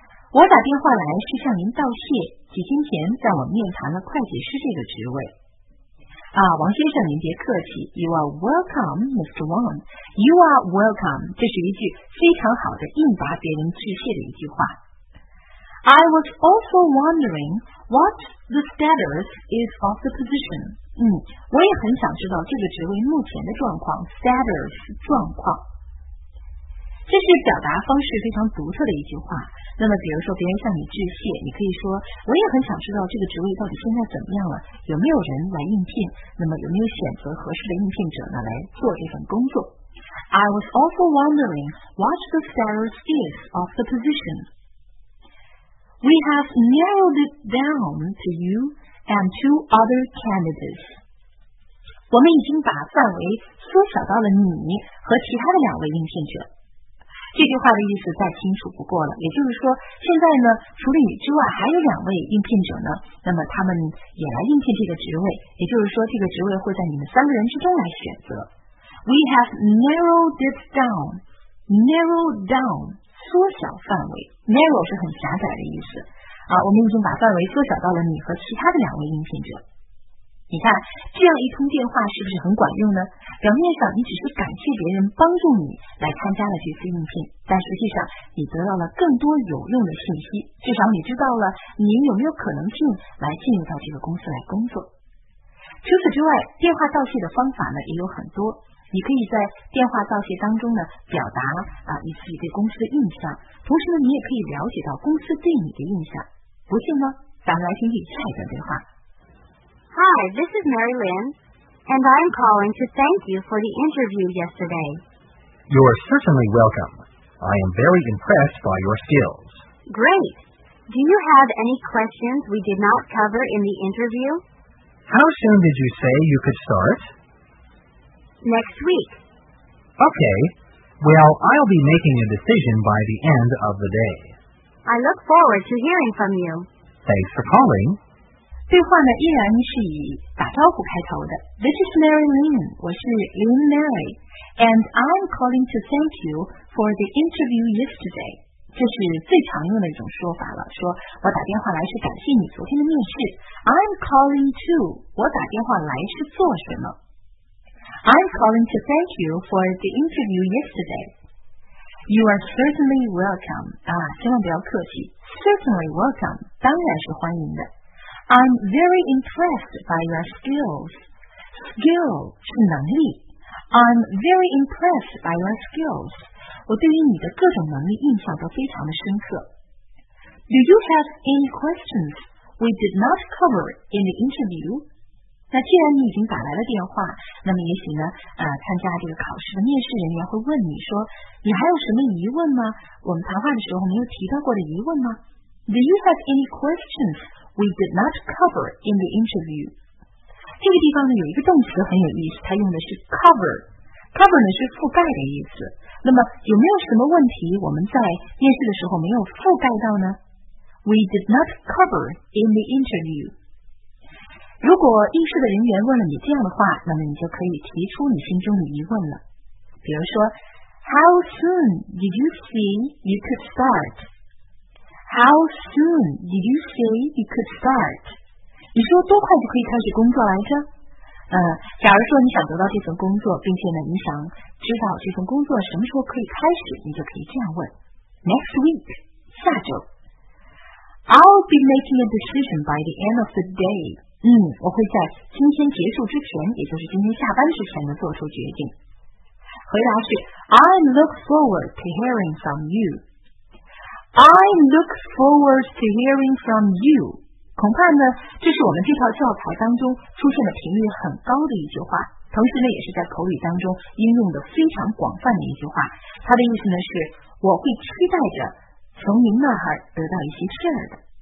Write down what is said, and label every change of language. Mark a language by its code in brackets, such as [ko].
[zh] 我打电话来是向您道谢，几天前让我面谈了会计师这个职位。啊，王先生您别客气。 [en] You are welcome, Mr. Wong. You are welcome. [zh] 这是一句非常好的应答别人致谢的一句话。 [en] I was also wondering what the status is of the position. [zh] 我也很想知道这个职位目前的状况 ,status, 状况。这是表达方式非常独特的一句话。那么比如说别人向你致谢，你可以说我也很想知道这个职位到底现在怎么样了，有没有人来应聘，那么有没有选择合适的应聘者呢来做这份工作。 [en] I was also wondering what the status is of the position. We have narrowed it down to you,and 2 other candidates. [zh] 我们已经把范围缩小到了你和其他的两位应聘者。这句话的意思再清楚不过了，也就是说现在呢除了你之外还有两位应聘者呢，那么他们也来应聘这个职位，也就是说这个职位会在你们3个人之中来选择。 [en] We have narrowed it down, narrowed down, [zh] 缩小范围。 narrow 是很狭窄的意思啊，我们已经把范围缩小到了你和其他的两位应聘者。你看，这样一通电话是不是很管用呢？表面上你只是感谢别人帮助你来参加了这次应聘，但实际上你得到了更多有用的信息，至少你知道了你有没有可能性来进入到这个公司来工作。除此之外，电话造谢的方法呢也有很多，你可以在电话造谢当中呢表达啊你自己对公司的印象，同时呢你也可以了解到公司对你的印象。不信吗？咱们来听听下一段对话。 [en] Hi, this is Mary Lynn, and I'm calling to thank you for the interview yesterday. You're certainly welcome. I am very impressed by your skills. Great. Do you have any questions we did not cover in the interview? How soon did you say you could start? Next week. Okay. Well, I'll be making a decision by the end of the day. I look forward to hearing from you. Thanks for calling. [zh] 对话呢依然是以打招呼开头的。 [en] This is Mary Lynn, [zh] 我是 Lynn Mary, [en] and I'm calling to thank you for the interview yesterday. [zh] 这是最常用的一种说法了，说我打电话来是感谢你昨天的面试。 [en] I'm calling to, [zh] 我打电话来是做什么。 [en] I'm calling to thank you for the interview yesterday. You are certainly welcome, [zh] 啊，千万不要客气。 [en] Certainly welcome, [zh] 当然是欢迎的。 [en] I'm very impressed by your skills. Skill [zh] 是能力。 [en] I'm very impressed by your skills. [zh] 我对于你的各种能力印象都非常的深刻。 [en] Do you have any questions we did not cover in the interview? [zh] 那既然你已经打来了电话，那么也许呢，参加这个考试的面试人员会问你说，你还有什么疑问吗？我们谈话的时候没有提到过的疑问吗？ [en] Do you have any questions? We did not cover in the interview. [zh] 这个地方呢有一个动词很有意思，它用的是 cover. Cover 呢是覆盖的意思。那么有没有什么问题我们在面试的时候没有覆盖到呢？ [en] We did not cover in the interview. [zh] 如果应试的人员问了你这样的话，那么你就可以提出你心中的疑问了。比如说 [en] How soon did you see you could start? How soon did you say you could start? [zh] 你说多快就可以开始工作来着？假如说你想得到这份工作，并且呢，你想知道这份工作什么时候可以开始，你就可以这样问。 [en] Next week, [zh] 下周。 [en] I'll be making a decision by the end of the day. [zh] 我会在今天结束之前，也就是今天下班之前呢，做出决定。回答是 [en] I look forward to hearing from you. I look forward to hearing from you. [zh] 恐怕呢，这是我们这套教材当中出现的频率很高的一句话，同时呢，也是在口语当中应用的非常广泛的一句话。它的意思呢是，我会期待着从您那儿得到一些事儿的。